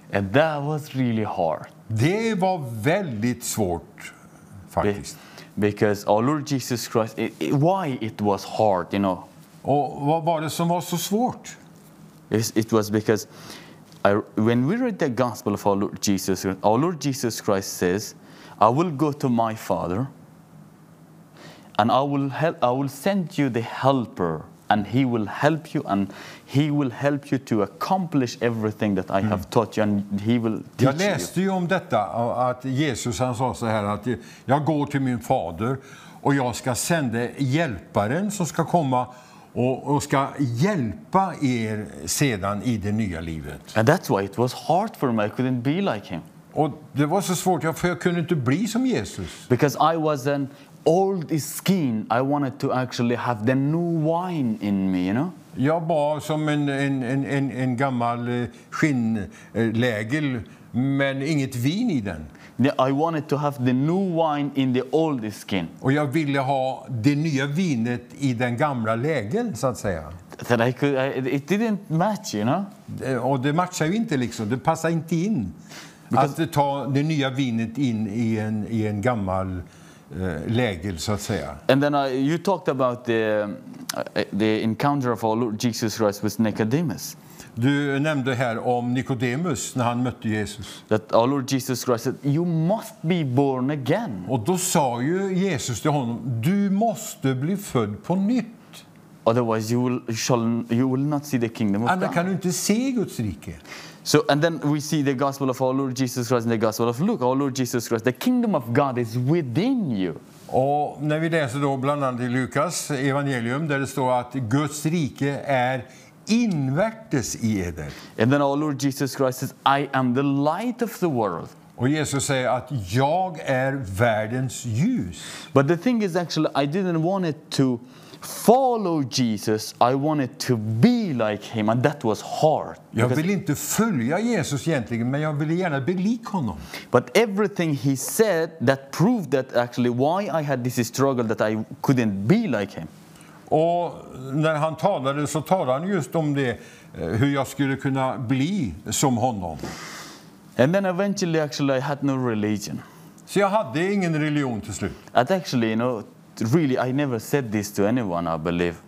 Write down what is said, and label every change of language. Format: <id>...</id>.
<en>And that was really hard.</en> <sv>Det var väldigt svårt faktiskt.</sv> <en>Because our Lord Jesus Christ, why it was hard, you know.</en> <sv>Och vad var det som var så svårt?</sv> <en>It was because when we read the gospel of our Lord Jesus Christ says, I will go to my father and I will send you the helper, and he will help you, and he will help you to accomplish everything that I have taught you, and he will teach you.</en> <sv>Jag läste ju om detta, att Jesus, han sa så här, att jag går till min fader och jag ska sända hjälparen som ska komma och ska hjälpa er sedan i det nya livet.</sv> <en>And that's why it was hard for me. I couldn't be like him.</en> <sv>Och det var så svårt, för jag kunde inte bli som Jesus.</sv> <en>Because I was an old skin, I wanted to actually have the new wine in me, you know?</en> <sv>Jag bar som en gammal skinnlägel, men inget vin I den.</sv> <en>I wanted to have the new wine in the old skin.</en> <sv>Och jag ville ha det nya vinet I den gamla lägeln, så att säga.</sv> <en>That I could, it didn't match, you know?</en> <sv>Och det matchar ju inte liksom, det passar inte in. Att ta det nya vinet in I en gammal lägel, så att säga.</sv> <en>And then you talked about the encounter of our Lord Jesus Christ with Nicodemus.</en> <sv>Du nämnde här om Nicodemus när han mötte Jesus.</sv> <en>That our Lord Jesus Christ said, you must be born again.</en> <sv>Och då sa ju Jesus till honom, du måste bli född på nytt.</sv> <en>Otherwise you will not see the kingdom of God.</en> <sv>Annars kan du inte se Guds rike.</sv> <en>So and then we see the gospel of our Lord Jesus Christ and the gospel of Luke. Our Lord Jesus Christ, the kingdom of God is within you.</en> <sv>Och när vi läser då bland annat I Lukas evangelium där det står att Guds rike är invärtes I eder.</sv> <en>And then our Lord Jesus Christ says, I am the light of the world.</en> <sv>Och Jesus säger att jag är världens ljus.</sv> <en>But the thing is actually I didn't want it to follow Jesus, I wanted to be like him, and that was hard.</en> <sv>Jag vill inte följa Jesus egentligen, men jag ville gärna bli lik honom.</sv> <en>But everything he said that proved that actually why I had this struggle that I couldn't be like him.</en> <sv>Och när han talade så talade han just om det, hur jag skulle kunna bli som honom.</sv> <en>And then eventually actually I had no religion.</en> <sv>Så jag hade ingen religion till slut.</sv> <en>At actually, you know, really, I never said this to anyone, I believe.</en>